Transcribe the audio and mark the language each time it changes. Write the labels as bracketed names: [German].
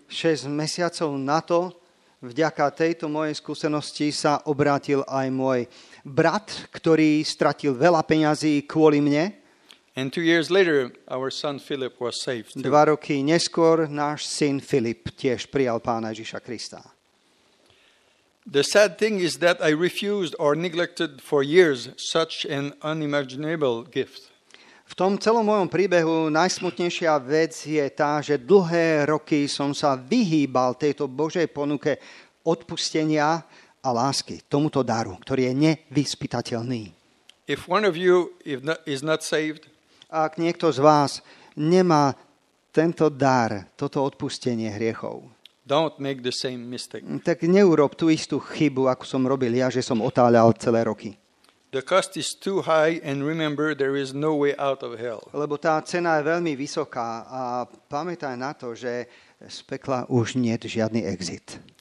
[Slovak] 6 mesiacov na to, vďaka tejto mojej skúsenosti, sa obrátil aj môj brat, ktorý stratil veľa peňazí kvôli mne. [English] And 2 years later, our son Philip was saved. [Slovak] 2 roky neskôr náš syn Filip tiež prijal Pána Ježiša Krista. [English] The sad thing is that I refused or neglected for years such an unimaginable gift. [Slovak] V tom celom mojom príbehu najsmutnejšia vec je tá, že dlhé roky som sa vyhýbal tejto Božej ponuke odpustenia a lásky, tomuto daru, ktorý je nevyspytateľný. [English] If one of you is not saved, [Slovak] ak niekto z vás nemá tento dar, toto odpustenie hriechov, [English] don't make the same mistake. [Slovak] Tak neurob tú istú chybu, ako som robil ja, že som otáľal celé roky. [English] The cost is too high and remember there is no way out of hell. [Slovak] Lebo tá cena je veľmi vysoká a pamätaj na to, že z pekla už nie je žiadny exit.